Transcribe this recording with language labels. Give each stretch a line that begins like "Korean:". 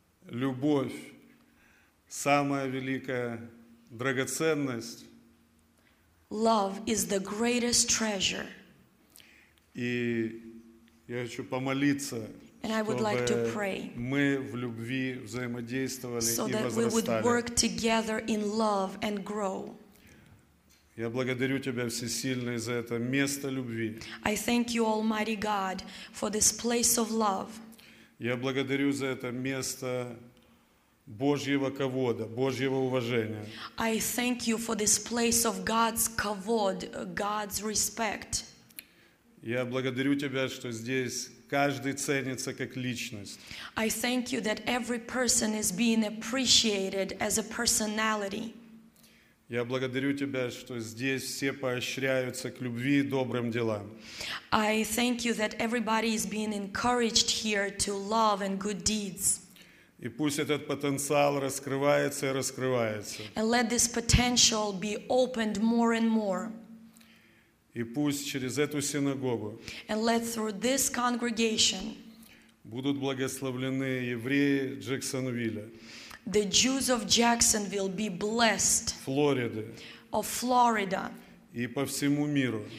Russian: Любовь – самая великая драгоценность.
English: Love is the greatest treasure.
Russian: И я хочу помолиться,
English: and I would like to pray,
Russian: чтобы мы в любви взаимодействовали
English: so
Russian: и возрастали.
English: So that we would work together in love and grow.
Russian: Я благодарю Тебя, Всесильный, за это место любви.
English: I thank you, Almighty God, for this place of love.
Russian: Я благодарю за это место Божьего кавода, Божьего уважения.
English: I thank you for this place of God's kavod, God's respect.
Russian: Я благодарю Тебя, что здесь каждый ценится как личность.
English: I thank you that every person is being appreciated as a personality.
Russian: Я благодарю Тебя, что здесь все поощряются к любви и добрым делам.
English: I thank you that everybody is being encouraged here to love and good deeds.
Russian: И пусть этот потенциал раскрывается и раскрывается.
English: And let this potential be opened more and more.
Russian: И пусть через эту синагогу.
English: And let through this congregation.
Russian: Будут благословлены евреи Джексонвилля.
English: The Jews of Jacksonville be blessed. Florida. Of Florida.
Russian: И по всему миру.